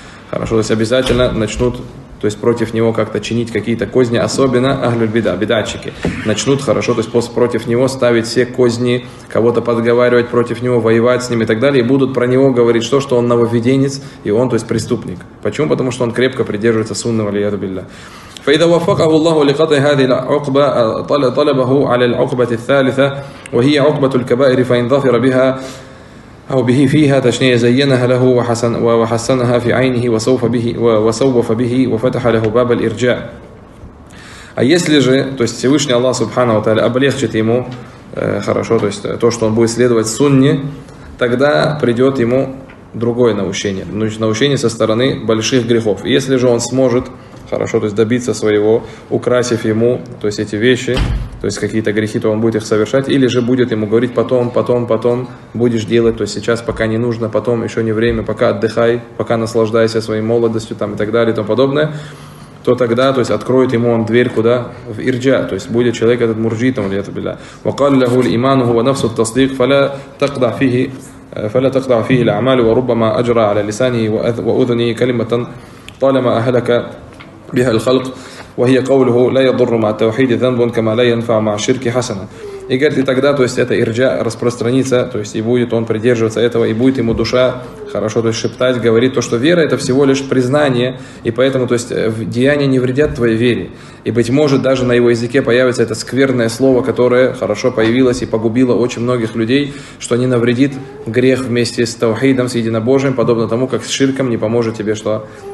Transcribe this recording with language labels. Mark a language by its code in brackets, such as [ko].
[ru] Хорошо, то есть, обязательно начнут, то есть, против него как-то чинить какие-то козни, особенно ахлюль-бида, бидатчики, начнут хорошо, то есть, против него ставить все козни, кого-то подговаривать против него, воевать с ним и так далее, и будут про него говорить то, что он нововведенец, и он, то есть, преступник. Почему? Потому что он крепко придерживается сунны, валиаду билля. [ar] فإذا وفقه الله لقطع هذه العقبة طلبه على العقبة الثالثة وهي عقبة الكبائر فإن ظفر بها أو به فيها تشنيه زينها له وحسنها في عينه وسوف به وفتح له باب الإرجاء. [ru] А если же, то есть, Всевышний Аллах Субхана ва Тааля облегчит ему хорошо, то есть, то, что он будет следовать сунне, тогда придет ему другое наущение, наущение со стороны больших грехов. Если же он сможет хорошо, то есть, добиться своего, украсив ему, то есть, эти вещи, то есть, какие-то грехи, то он будет их совершать, или же будет ему говорить потом будешь делать, то есть, сейчас пока не нужно, потом еще не время, пока отдыхай, пока наслаждайся своей молодостью там и так далее и тому подобное, то тогда, то есть, откроет ему он дверь куда? В ирджа, то есть, будет человек этот мурджитом, валиату билля. [ar] وقال له الإيمان هو نفس التصديق فلا تقطع فيه الأعمال وربما أجرى على لسانه وأذنه كلمة طالما أهلك بها الخلق وهي قوله لا يضر مع التوحيد ذنب كما لا ينفع مع الشرك حسنة. [ru] И говорит, и тогда, то есть, это ирджа распространится, то есть, и будет он придерживаться этого, и будет ему душа хорошо, то есть, шептать, говорить то, что вера – это всего лишь признание, и поэтому, то есть, деяния не вредят твоей вере. И, быть может, даже на его языке появится это скверное слово, которое хорошо появилось и погубило очень многих людей, что не навредит грех вместе с таухидом, с единобожием, подобно тому, как с ширком не поможет тебе что?